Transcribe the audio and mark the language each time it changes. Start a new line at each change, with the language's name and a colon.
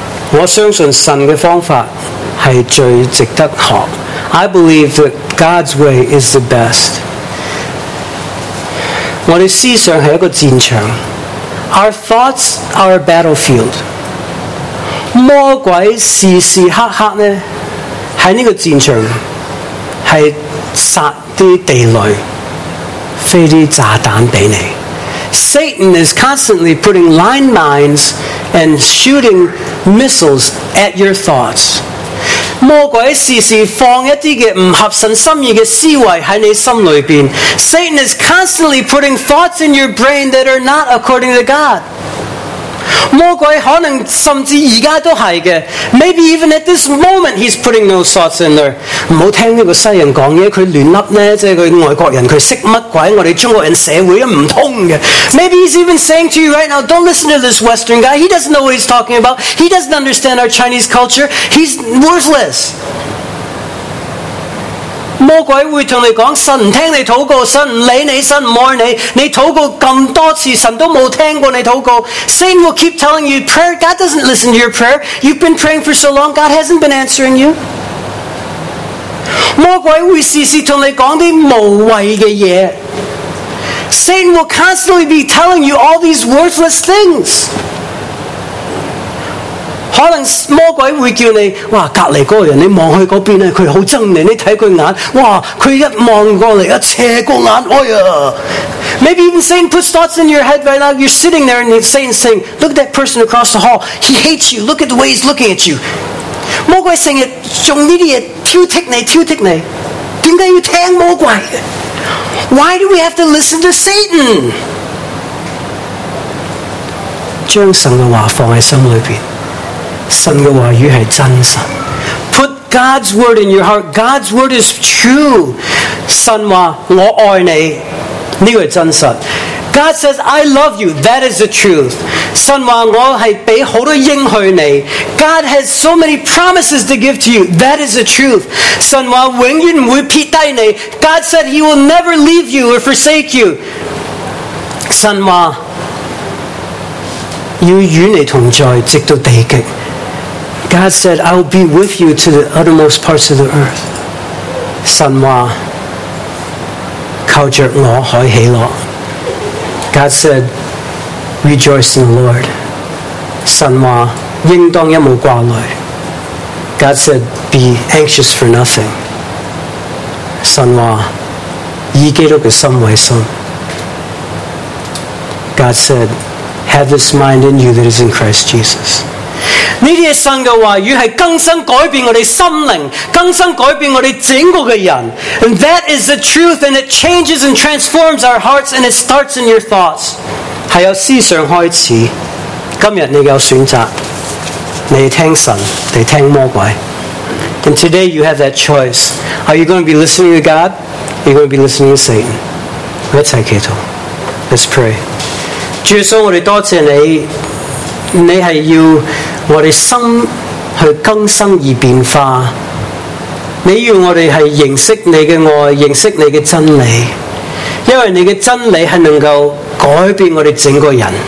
Cantonese: 我相信神的方法是最值得学。
English: I believe that God's way is the best.
Cantonese: 我的思想是一个战场。
English: Our thoughts are a battlefield.
Cantonese: 魔鬼时时刻刻呢，在这个战场是撒啲地雷，飞啲炸弹给你。
English: Satan is constantly putting landmines and shooting missiles at your thoughts.
Cantonese: 魔鬼时时放一啲嘅唔合神心意嘅思维喺你心里边。
English: Satan is constantly putting thoughts in your brain that are not according to God.
Cantonese: 魔鬼可能甚至而家都系嘅。
English: Maybe even at this moment he's putting those thoughts in there.
Cantonese: 唔好听呢个西人讲嘢，佢乱笠咧，即系佢外国人，佢识乜鬼？我哋中国人社会唔通嘅。
English: Maybe he's even saying to you right now, don't listen to this Western guy. He doesn't know what he's talking about. He doesn't understand our Chinese culture. He's worthless.
Cantonese: 魔鬼会同你讲，神唔听你祷告，神唔理你，神唔爱你。你祷告咁多次，神都冇听过你祷告。
English: Satan will keep telling you prayer. God doesn't listen to your prayer. You've been praying for so long. God hasn't been answering you.
Cantonese: 魔鬼会时时同你讲啲无谓嘅嘢。
English: Satan will constantly be telling you all these worthless things.
Cantonese: 可能魔鬼会叫你，哇，隔离嗰个人，你望去嗰边咧，佢好憎你，你睇佢眼，哇，佢一望过嚟，一斜个眼，哎呀。
English: Maybe even Satan puts thoughts in your head right now. You're sitting there and Satan's saying, look at that person across the hall. He hates you. Look at the way he's looking at you.
Cantonese: 魔鬼成日用呢啲嘢挑剔你，挑剔你。点解要听魔鬼？
English: Why do we have to listen to Satan?
Cantonese: 将神的话放在心里边，神的话语是真神。
English: Put God's word in your heart. God's word is true.
Cantonese: 神话我爱你，这个是真实。
English: God says, I love you. That is the truth.
Cantonese: 神话我是给好多应许你。
English: God has so many promises to give to you. That is the truth.
Cantonese: 神话永远不会撇低你。
English: God said he will never leave you or forsake you.
Cantonese: 神话要与你同在直到地极。
English: God said, I will be with you to the uttermost parts of the earth.
Cantonese: 神话靠着我可喜乐。
English: God said, rejoice in the Lord.
Cantonese: 神话应当一无挂虑。
English: God said, be anxious for nothing.
Cantonese: 神话以基督的心为心。
English: God said, have this mind in you that is in Christ Jesus.
Cantonese: 这些神的话语是更新改变我们心灵，更新改变我们整个人。
English: And that is the truth, and it changes and transforms our hearts, and it starts in your thoughts.
Cantonese: 是由思想开始。今天你有选择，你听神，你听魔鬼。
English: And today you have that choice. Are you going to be listening to God? Or are you going to be listening to Satan? Let's have a talk. Let's pray.
Cantonese: 主耶稣，我们多谢你，你是要我们心去更新而变化。你要我们是认识你的爱，认识你的真理，因为你的真理是能够改变我们整个人。